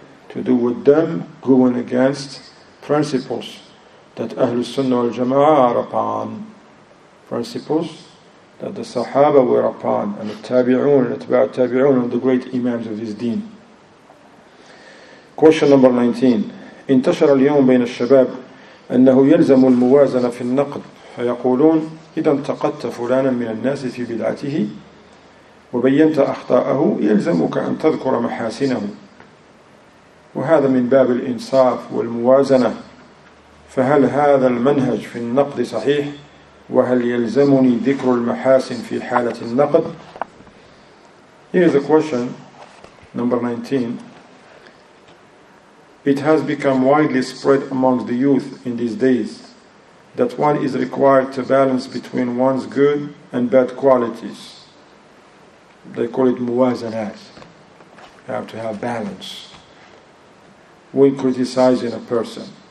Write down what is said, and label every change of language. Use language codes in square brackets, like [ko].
[en] To do with them going against principles that Ahlul Sunnah wal Jama'ah are upon. Principles that the Sahaba were upon, and the Tabi'un, and the Tabi'a Tabi'un, and the great Imams of this deen. Question number 19. [ar] انتشر اليوم بين الشباب أنه يلزم الموازنة في النقد فيقولون إذا انتقدت فلانا من الناس في بدعته وبينت أخطاءه يلزمك أن تذكر محاسنه وهذا من باب الإنصاف والموازنة فهل هذا المنهج في النقد صحيح؟ وهل يلزمني ذكر المحاسن في حالة النقد؟ [en] Here is a question, number 19. It has become widely spread amongst the youth in these days that one is required to balance between one's good and bad qualities. They call it muwazanat. You have to have balance when criticizing a person.